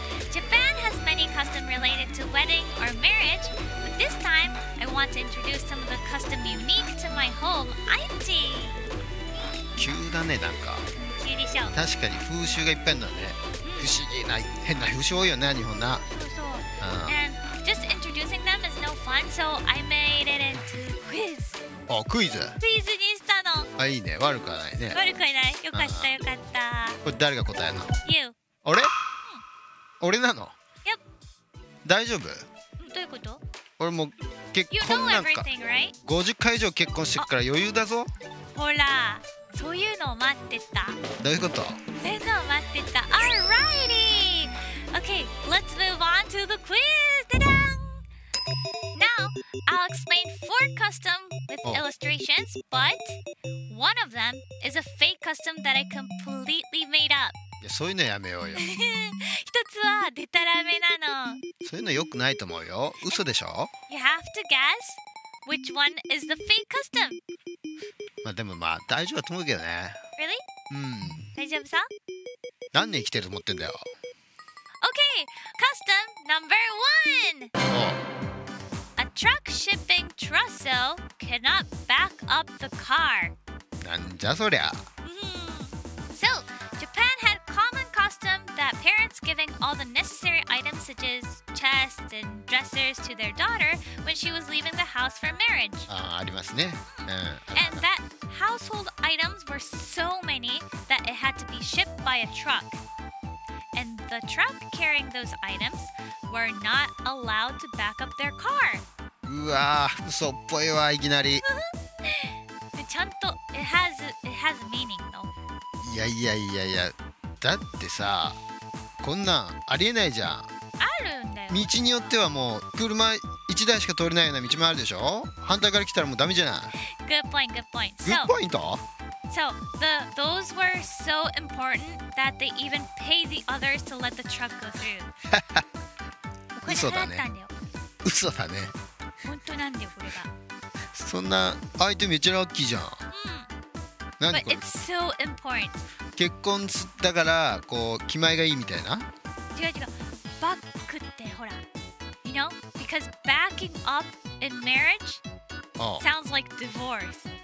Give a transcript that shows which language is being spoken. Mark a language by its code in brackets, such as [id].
[en] Japan has many customs related to wedding or marriage, but this time, I want to introduce some of the customs unique to my home, Aichi! [ja] 急だね、なんか。急でしょ。確かに風習がいっぱいあるんだね。不思議な、変な風習多いよね、日本な。そうそう。 [en] And just introducing them is no fun, so I made it into quiz. [ja] あ、クイズ。クイズにしたの。あ、いいね。悪くはないね。悪くはない。よかった、よかった。これ誰が答えんの？ [en] You. [ja] 俺？俺なの？ [en] Yep. [ja] 大丈夫？どういうこと？俺もう結婚なんか。 [en] You know everything, right? [ja] 50回以上結婚してるから余裕だぞ。ほら、そういうのを待ってた。どういうこと？そういうのを待ってた。 [en] Alrighty! Okay, let's move on to the quiz! Ta-da! Now, I'll explain four customs with illustrations, but one of them is a fake custom that I completely made up. [ja] いや、そういうのやめようよ。一つはデタラメなの。そういうの良くないと思うよ。嘘でしょ？ [en] You have to guess which one is the fake custom. [ja] まあでもまあ大丈夫だと思うけどね。 [en] Really? [ja] うん。大丈夫さ？何年生きてると思ってんだよ。 [en] Okay, custom number one! A truck shipping trestle cannot back up the car. [ja] なんじゃそりゃ。 [en] So, Japan had common custom that parents giving all the necessary items such as chests and dressers to their daughter when she was leaving the house for marriage. [ja] ありますね。 [en] And that household items were so many that it had to be shipped by a truck. And the truck carrying those items were not allowed to back up their car. [ja] うわぁ、嘘っぽいわ、いきなり。ちゃんと、 [en] it has meaning though。 [ja] いやいやいやいや、だってさ、こんなんありえないじゃん。あるんだよ。道によってはもう、車1台しか通れないような道もあるでしょ？反対から来たらもうダメじゃない。 [en] Good point, good point. Good point? So, those were so important that they even paid the others to let the truck go through. [ja] 嘘だね。嘘だね。本当なんだよ、これが。そんな相手めっちゃラッキーじゃん。うん。何これ。 [en] But it's so important. [ja] 結婚だから、こう、気前がいいみたいな？違う違う。バックって、ほら。 [en] You know? Because backing up in marriage sounds like divorce.